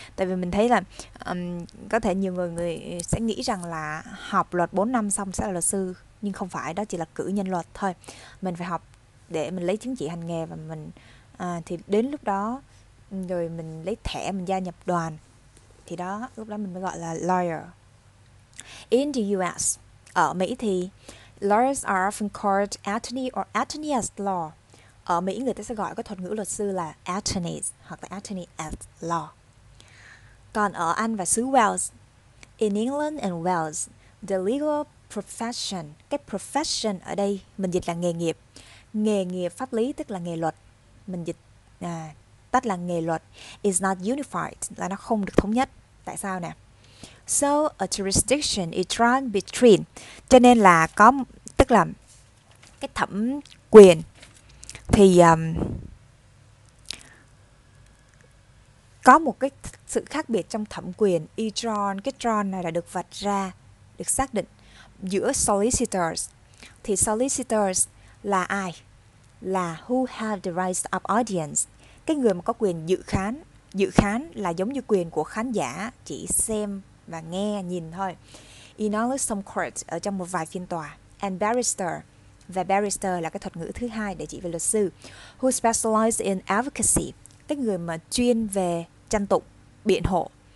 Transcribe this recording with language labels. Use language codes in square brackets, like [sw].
[vi] Tại vì mình thấy là có thể nhiều người người sẽ nghĩ rằng là học luật 4 năm xong sẽ là luật sư. Nhưng không phải, đó chỉ là cử nhân luật thôi. Mình phải học để mình lấy chứng chỉ hành nghề và mình thì đến lúc đó rồi mình lấy thẻ, mình gia nhập đoàn. Thì đó, lúc đó mình mới gọi là lawyer. [en] In the US, [vi] ở Mỹ thì [en] lawyers are often called attorney or attorney at law. [vi] Ở Mỹ người ta sẽ gọi cái thuật ngữ luật sư là attorneys hoặc là attorney at law. Còn ở Anh và xứ Wales, [en] in England and Wales, the legal profession, [vi] cái profession ở đây mình dịch là nghề nghiệp. Nghề nghiệp pháp lý tức là nghề luật. Mình dịch tắt là nghề luật [en] is not unified, [vi] là nó không được thống nhất. Tại sao nè? [en] So a jurisdiction is drawn between. [vi] Cho nên là có, tức là cái thẩm quyền thì có một cái sự khác biệt trong thẩm quyền. [en] Is drawn, [vi] cái drawn này là được vạch ra, được xác định giữa solicitors. Thì solicitors là ai? [en] Là who have the rights of audience. [vi] Cái người mà có quyền dự khán. Dự khán là giống như quyền của khán giả, chỉ xem và nghe nhìn thôi. [en] In some court, [vi] ở trong một vài phiên tòa. [en] And barrister, [vi] và barrister là cái thuật ngữ thứ hai để chỉ về luật sư. [en] Who specialize in advocacy, [vi] cái người mà chuyên về tranh tụng, biện hộ.